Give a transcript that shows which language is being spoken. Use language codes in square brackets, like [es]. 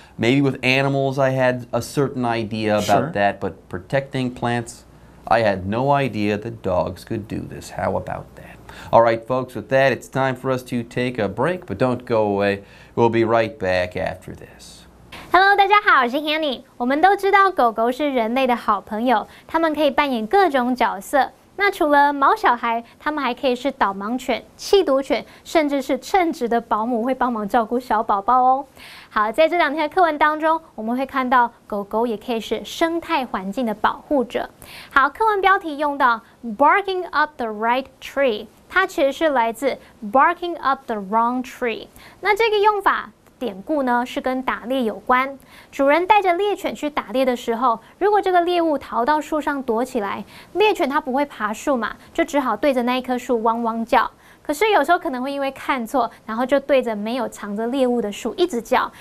[en] Maybe with animals, I had a certain idea about that, but protecting plants, I had no idea that dogs could do this. How about that? All right, folks, with that, it's time for us to take a break, but don't go away. We'll be right back after this. [zh] Hello, 大家好，我是 Hanny。我们都知道狗狗是人类的好朋友，它们可以扮演各种角色。那除了毛小孩，他们还可以是导盲犬、气毒犬，甚至是称职的保姆，会帮忙照顾小宝宝哦。好，在这两天的课文当中，我们会看到狗狗也可以是生态环境的保护者。好，课文标题用到 [en] barking up the right tree， [zh] 它其实是来自 [en] barking up the wrong tree。 [zh] 那这个用法典故呢，是跟打猎有关。主人带着猎犬去打猎的时候，如果这个猎物逃到树上躲起来，猎犬它不会爬树嘛，就只好对着那一棵树汪汪叫。可是有时候可能会因为看错，然后就对着没有藏着猎物的树一直叫。